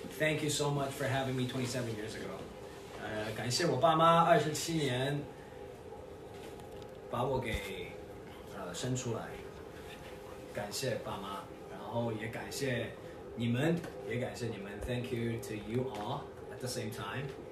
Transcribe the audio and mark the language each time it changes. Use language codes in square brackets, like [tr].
[en] Thank you so much for having me 27 years ago. [zh] 感谢我爸妈27年把我给生出来。感谢爸妈，然后也感谢你们，也感谢你们。 [en] Thank you to you all at the same time.